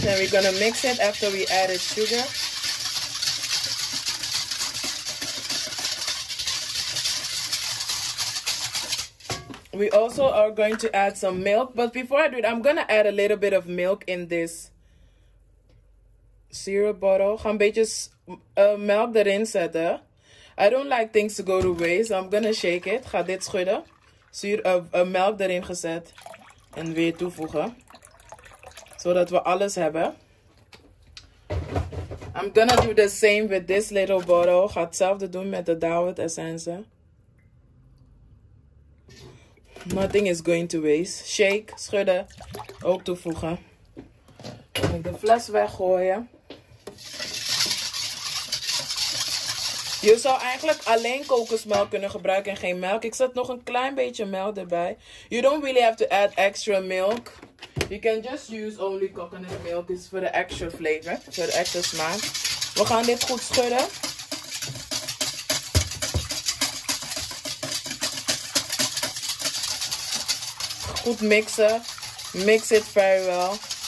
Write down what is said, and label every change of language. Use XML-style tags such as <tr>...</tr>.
<en>Then we're gonna mix it after we added sugar. We also are going to add some milk. But before I do it, I'm gonna add a little bit of milk in this syrup bottle.</en> <nl>Ga een beetje melk erin zetten.</nl> <en>I don't like things to go to waste. I'm gonna shake it.</en> <nl>Ga dit schudden. Melk erin gezet. En weer toevoegen. Zodat we alles hebben.</nl> <en>I'm gonna do the same with this little bottle.</en> <nl>Ga hetzelfde doen met de David essence.</nl> <en>Nothing is going to waste. Shake,</en> <nl>schudden, ook toevoegen. De fles weggooien. Je zou eigenlijk alleen kokosmelk kunnen gebruiken en geen melk. Ik zet nog een klein beetje melk erbij.</nl> <en>You don't really have to add extra milk. You can just use only coconut milk. It's for the extra flavor, for the extra smaak.</en> <nl>We gaan dit goed schudden. Goed mixen.</nl> <en>Mix it very well.</en>